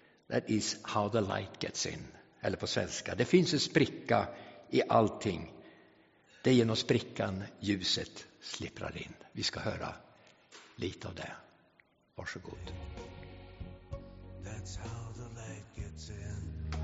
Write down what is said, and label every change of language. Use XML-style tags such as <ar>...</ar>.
<en>That is how the light gets in."</en> <sv>Eller på svenska: det finns en spricka i allting. Det är genom sprickan ljuset slipprar in. Vi ska höra lite av det. Varsågod.</sv> <en>That's how the light gets in.</en>